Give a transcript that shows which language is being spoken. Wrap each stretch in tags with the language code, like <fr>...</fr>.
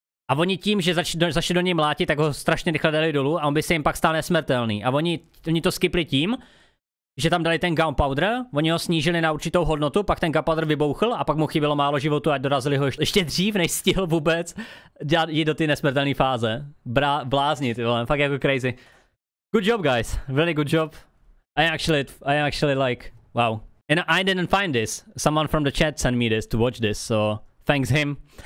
<cs>A oni tím, že začne do něj mlátit, tak ho strašně rychle dali dolů a on by se jim pak stál nesmrtelný. A oni to skipli tím, že tam dali ten gunpowder, oni ho snížili na určitou hodnotu, pak ten gunpowder vybouchl a pak mu chybělo málo životu a dorazili ho ještě dřív, než stihl vůbec dělat jít do ty nesmrtelné fáze. Blázni, ty vole, fakt jako crazy.</cs> <en>Good job guys, really good job. I actually like, wow. And I didn't find this, someone from the chat sent me this to watch this, so thanks him.</en>